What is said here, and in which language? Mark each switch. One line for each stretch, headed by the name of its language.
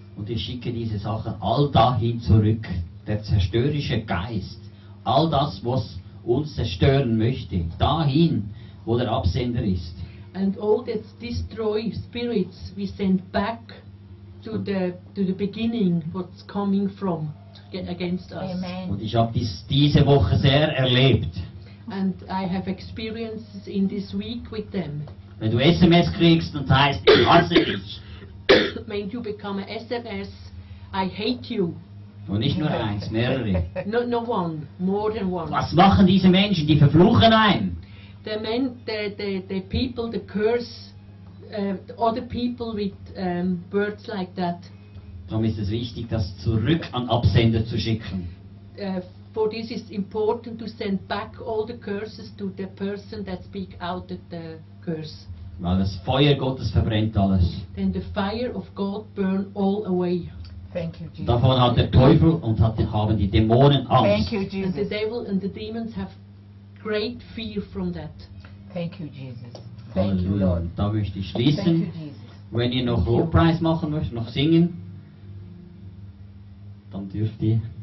German: Und ich schicke diese Sachen all dahin zurück, der zerstörerische Geist, all das, was uns zerstören möchte, dahin, wo der Absender ist.
English: And all that destroy spirits, we send back to the beginning, what's coming from. Against us. Amen.
German: Und ich habe diese Woche sehr erlebt.
English: And I have experiences in this week with them.
German: Wenn du SMS kriegst und heißt, ich hasse dich.
English: When you become an SMS, I hate you.
German: Und nicht nur eins, mehrere.
English: No, no one, more than one.
German: Was machen diese Menschen? Die verfluchen einen.
English: The men, the people, the curse, the other people with words like that.
German: Darum ist es wichtig, das zurück an Absender zu schicken.
English: For this is important to send back all the curses to the person that speak out the curse.
German: Weil das Feuer Gottes verbrennt alles.
English: Then the fire of God burn all away. Thank you, Jesus.
German: Davon hat der Teufel und haben die Dämonen Angst.
English: Thank you, Jesus. And the devil and the demons have great fear from that. Thank you, Jesus. Thank you, Lord.
German: Da möchte ich schließen. Wenn ihr noch Lobpreis machen möchtet, noch singen, dann dürft ihr.